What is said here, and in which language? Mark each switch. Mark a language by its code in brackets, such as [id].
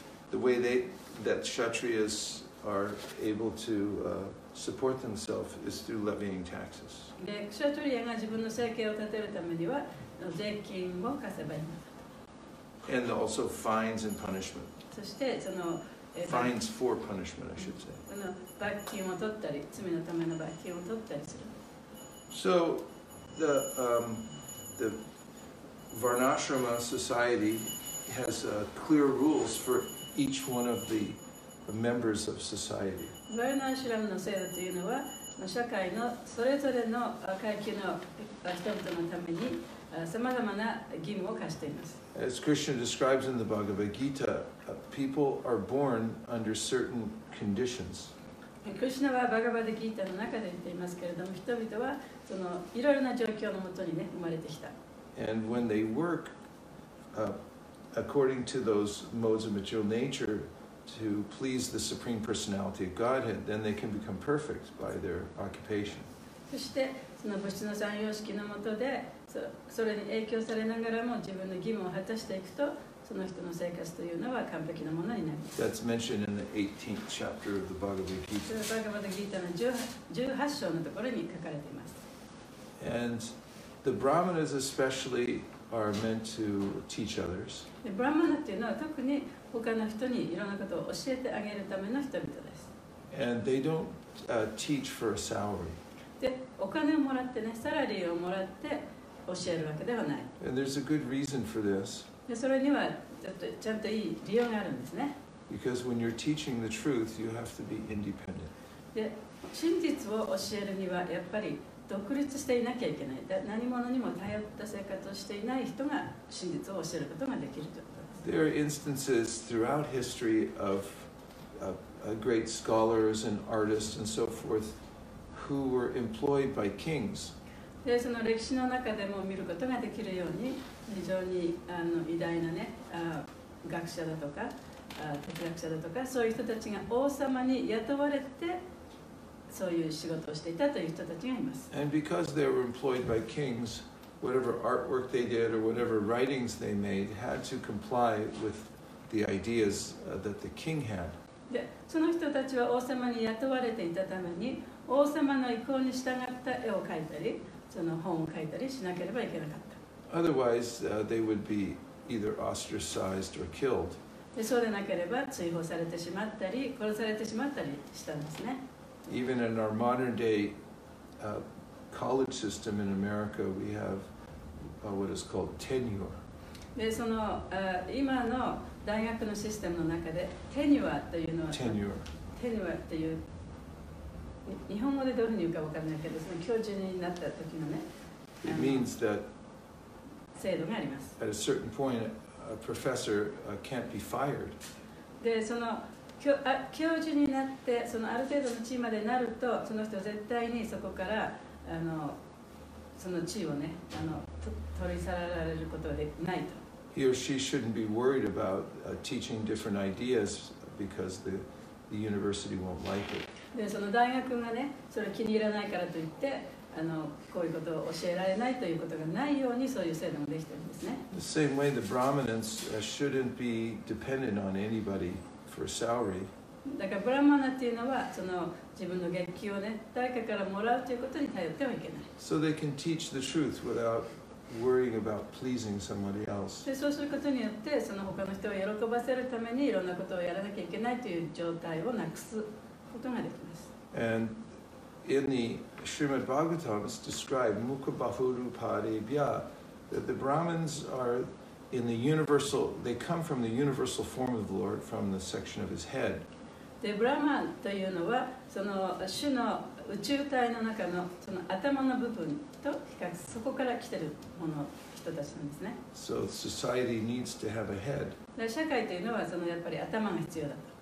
[en] The way that kshatriyas are able to support themselves is through levying taxes. [ja] で、クシャトリアが自分の生計を立てるためには税金を課せばいいんだ。 [en] And also fines and punishment. [ja] そしてその [en] fines for punishment, I should say. [ja] その罰金を取ったり、罪のための罰金を取ったりする。 [en] So the Varnashrama society has clear rules for each one of the members of society. [ja] Varnashrama の制度というのは、社会のそれぞれの階級の人々のために、様々な義務を課しています。 [en] As Krishna describes in the Bhagavad Gita, people are born under certain conditions. [ja] クリシュナはバガバダギータの中で言っていますけれども、人々はそのいろいろな状況のもとに、ね、生まれてきた。 [en] And when they work, according to those modes of material nature, to please the Supreme Personality of Godhead, then they can become perfect by their occupation. [ja] そしてその物質の三様式のもとで、それに影響されながらも自分の義務を果たしていくと、その人の生活というのは完璧なものになります。 [en] That's mentioned in the 18th chapter of the Bhagavad Gita. [ja] それはバガバダギータの18章のところに書かれています。 [en] And the Brahmanas especially are meant to teach others. [ja] で、ブラーマナというのは特に他の人にいろんなことを教えてあげるための人々です。 [en] And they don't teach for a salary. [ja] で、お金をもらってね、サラリーをもらって教えるわけではない。 [en] And there's a good reason for this. [ja] それにはちゃんといい理由があるんですね。 [en] Because when you're teaching the truth, you have to be independent. [ja] で、真実を教えるにはやっぱり独立していなきゃいけない。何者にも頼った生活をしていない人が真実を教えることができるということです。 [en] There are instances throughout history of great scholars and artists and so forth who were employed by kings. [ja] でその歴史の中でも見ることができるように非常にあの偉大な、ね、学者だとか哲学者だとかそういう人たちが王様に雇われてそういう仕事をしていたという人たちがいます。 [en] And because they were employed by kings, whatever artwork they did or whatever writings they made had to comply with the ideas that the king had. [ja] でその人たちは王様に雇われていたために王様の意向に従った絵を描いたりその本を書いたりしなければいけなかった。 [en] Otherwise, they would be either ostracized or killed. [ja] で、そうでなければ追放されてしまったり、殺されてしまったりしたんですね。 [en] Even in our modern day college system in America, we have what is called tenure. [ja] で、その今の大学のシステムの中で、tenure というのは、 [en] tenure。 [ja] tenure っていう。日本語でどういうふうに言うか分からないけど、その教授になった時のね、 [en] It means that [ja] 制度があります。 [en] At a certain point, a professor can't be fired. [ja] で、その教授になって、そのある程度の地位までなると、その人は絶対にそこからその地位をね、取り去られることはないと。 [en] He or she shouldn't be worried about teaching different ideas because the university won't like it. [ja] でその大学がね、それを気に入らないからといって、こういうことを教えられないということがないように、そういう制度もできているんですね。 [en] The same way the Brahmanas shouldn't be dependent on anybody for salary. [ja] だからブラマナっていうのは、その自分の月給をね、誰かからもらうということに頼ってはいけない。 [en] So they can teach the truth without worrying about pleasing somebody else. [ja] で、そうすることによって、その他の人を喜ばせるために、いろんなことをやらなきゃいけないという状態をなくす。 [en] And in the Srimad Bhagavatam, it's described [sa] Mukha Bahuru Parebhya [en] that the Brahmins are in the universal, they come from the universal form of the Lord, from the section of his head. [ja] The Brahman というのは、その主の宇宙体の中のその頭の部分と比較、そこから来てるもの、人たちなんですね。 [en] So society needs to have a head. [ja] 社会というのは、そのやっぱり頭が必要だ。